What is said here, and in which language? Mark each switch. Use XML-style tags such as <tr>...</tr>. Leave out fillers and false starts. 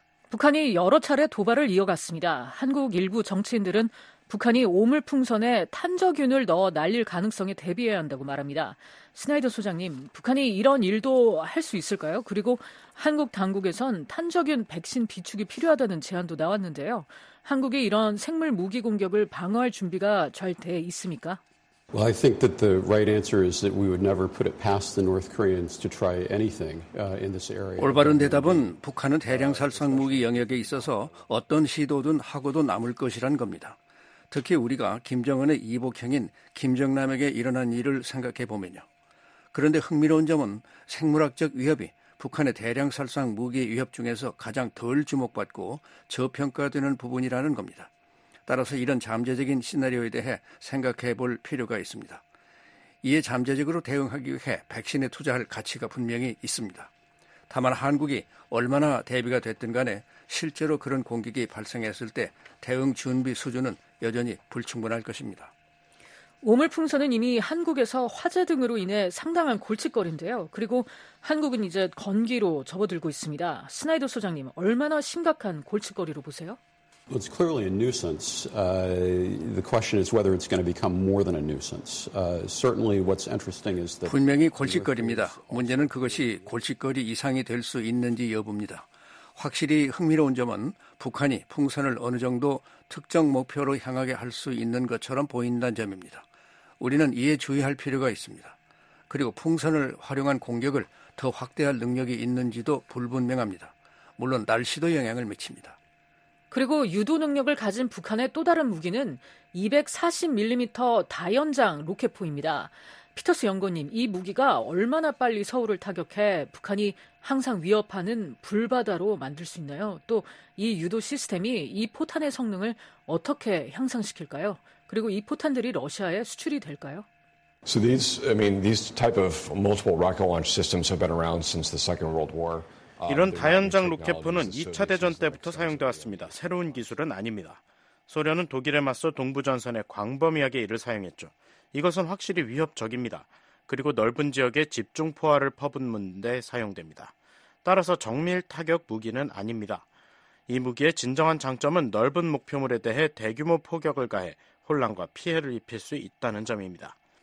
<ko>북한이 여러 차례 도발을 이어갔습니다. 한국 일부 정치인들은 북한이 오물풍선에 탄저균을 넣어 날릴 가능성에 대비해야 한다고 말합니다. 스나이더 소장님, 북한이 이런 일도 할 수 있을까요? 그리고 한국 당국에선 탄저균 백신 비축이 필요하다는 제안도 나왔는데요. 한국이 이런 생물 무기 공격을 방어할 준비가 잘 돼 있습니까?</ko> <en>Well, I think that the right answer is that we would never put it past the North Koreans to try anything in this area.</en> <ko>올바른 대답은 북한은 대량 살상 무기 영역에 있어서 어떤 시도든 하고도 남을 것이란 겁니다. 특히 우리가 김정은의 이복형인 김정남에게 일어난 일을 생각해 보면요. 그런데 흥미로운 점은 생물학적 위협이 북한의 대량 살상 무기 위협 중에서 가장 덜 주목받고 저평가되는 부분이라는 겁니다. 따라서 이런 잠재적인 시나리오에 대해 생각해 볼 필요가 있습니다. 이에 잠재적으로 대응하기 위해 백신에 투자할 가치가 분명히 있습니다. 다만 한국이 얼마나 대비가 됐든 간에 실제로 그런 공격이 발생했을 때 대응 준비 수준은 여전히 불충분할 것입니다. 오물풍선은 이미 한국에서 화재 등으로 인해 상당한 골칫거리인데요. 그리고 한국은 이제 건기로 접어들고 있습니다. 스나이더 소장님, 얼마나 심각한 골칫거리로 보세요?</ko> <en>Well, it's clearly a nuisance. The question is whether it's going to become more than a nuisance. Certainly, what's interesting is that</en> <ko>분명히 골칫거리입니다. 문제는 그것이 골칫거리 이상이 될 수 있는지 여부입니다. 확실히 흥미로운 점은 북한이 풍선을 어느 정도 특정 목표로 향하게 할 수 있는 것처럼 보인다는 점입니다. 우리는 이에 주의할 필요가 있습니다. 그리고 풍선을 활용한 공격을 더 확대할 능력이 있는지도 불분명합니다. 물론 날씨도 영향을 미칩니다. 그리고 유도 능력을 가진 북한의 또 다른 무기는 240mm 다연장 로켓포입니다. 피터스 연구원님, 이 무기가 얼마나 빨리 서울을 타격해 북한이 항상 위협하는 불바다로 만들 수 있나요? 또 이 유도 시스템이 이 포탄의 성능을 어떻게 향상시킬까요? 그리고 이 포탄들이 러시아에 수출이 될까요?</ko> <en>So these type of multiple rocket launch systems have been around since the Second World War.</en> <ko>이런 다연장 로켓포는 2차 대전 때부터 사용되어 왔습니다. 새로운 기술은 아닙니다. 소련은 독일에 맞서 동부전선에 광범위하게 이를 사용했죠. 이것은 확실히 위협적입니다. 그리고 넓은 지역에 집중포화를 퍼붓는 데 사용됩니다. 따라서 정밀 타격 무기는 아닙니다. 이 무기의 진정한 장점은 넓은 목표물에 대해 대규모 포격을 가해 혼란과 피해를 입힐 수 있다는 점입니다.</ko>